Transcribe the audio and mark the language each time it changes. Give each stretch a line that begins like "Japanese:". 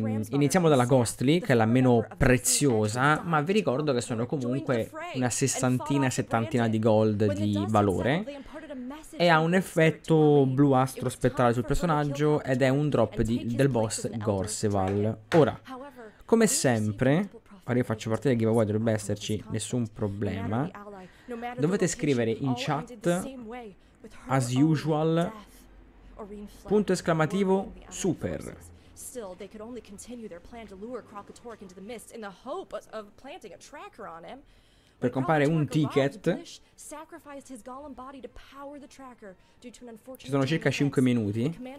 Italian: Iniziamo dalla Ghostly, che è la meno preziosa, ma vi ricordo che sono comunque una 60-70 di gold di valore e ha un effetto bluastro spettrale sul personaggio ed è un drop del boss Gorseval. Ora, come sempre, ora io faccio parte del giveaway, dovrebbe esserci nessun problema, dovete scrivere in chat
English: as usual
Italian: punto esclamativo super.
English: Still, they could only continue their plan to lure Krokotork into the mist in the hope of planting a tracker on him.
Italian: Per comprare un ticket, ci sono circa 5 minuti.